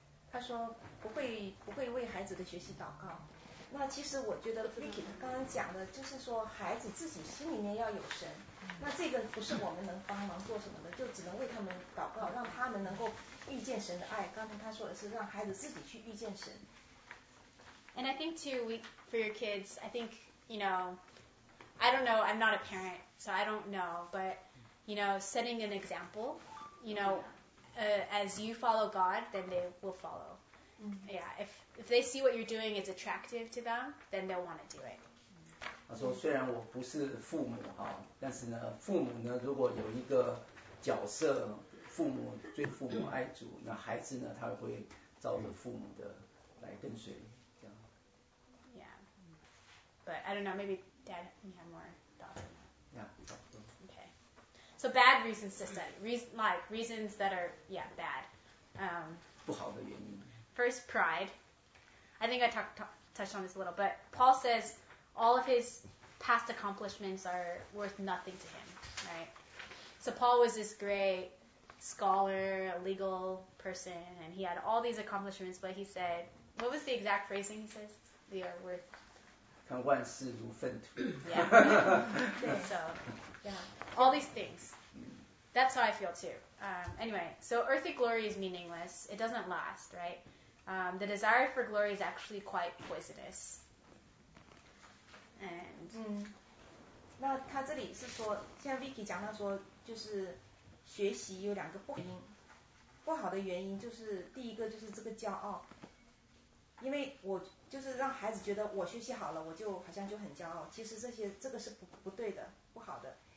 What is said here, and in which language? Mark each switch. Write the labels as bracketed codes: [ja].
[zh] 他说不会为孩子的学习祷告。那其实我觉得 Vicky 刚刚讲的就是说，孩子自己心里面要有神。那这个不是我们能帮忙做什么的，就只能为他们祷告，让他们能够遇见神的爱。刚才他说的是让孩子自己去遇见神。 [en] And I think too, for your kids, I think, you know, I don't know, I'm not a parent, so I don't know, but, you know, setting an example, you know, as you follow God, then they will follow. Mm-hmm. Yeah, if they see what you're doing is attractive to them, then they'll want to do it. [zh] 他说虽然我不是父母啊，但是呢，父母呢，如果有一个角色，父母对父母爱主，那孩子呢，他会照着父母的来跟随。 [en] But I don't know, maybe Dad, you have more thoughts on that. Yeah. Okay. So bad reasons to study. Reasons that are, yeah, bad. [zh] 不好的原因。 [en] First, pride. I think I touched on this a little, but Paul says all of his past accomplishments are worth nothing to him, right? So Paul was this great scholar, a legal person, and he had all these accomplishments, but he said, what was the exact phrasing he says? They are worth [zh] 万事如粪土。 [en] Yeah. So, yeah. All these things. That's how I feel too. Anyway, so earthly glory is meaningless. It doesn't last, right? The desire for glory is actually quite poisonous. And. [zh] 那他这里是说，像 Vicky 讲到说，就是学习有两个不好的原因，就是第一个就是这个骄傲。因为我就是让孩子觉得我学习好了，我就好像就很骄傲。其实这个是不对的，不好的。